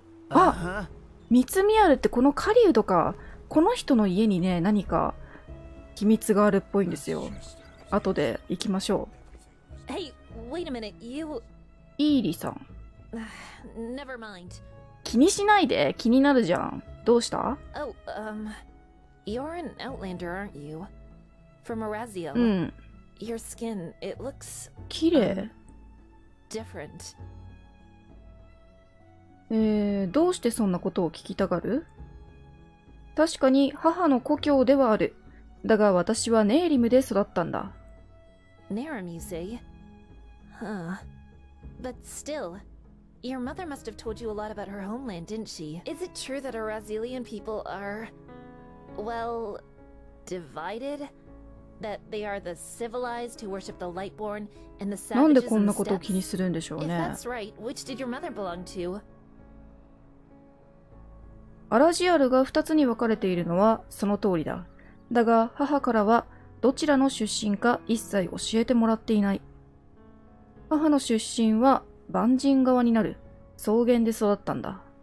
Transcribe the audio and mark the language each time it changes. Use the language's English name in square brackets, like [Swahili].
[Japanese] あ、ミツミアルってこの狩人か。この人の家にね、何か秘密があるっぽいんですよ。後で行きましょう。 [English] Hey, wait a minute. You... [Japanese] イーリさん。 [English] Never mind. [Japanese] 気にしないで、気になるじゃん。どうした？ [English] Oh, you're an outlander, aren't you? From Araziel. [Japanese] うん。 [English] Your skin, it looks... [Japanese] 綺麗。 [English] Different. [Japanese] どうしてそんなことを聞きたがる？確かに母の故郷ではある。だが私はネーリムで育ったんだ。 [English] ネーリム、you say? Huh. But still, your mother must have told you a lot about her homeland, didn't she? Is it true that Arazilian people are, well, divided? That they are the civilized who worship the Lightborn and the savages and steps? [Japanese] なんでこんなことを気にするんでしょうね。 [English] If that's right, which did your mother belong to? [Japanese] アラジアルが二つに分かれているのはその通りだ。だが母からはどちらの出身か一切教えてもらっていない。母の出身は万人側になる。草原で育ったんだ。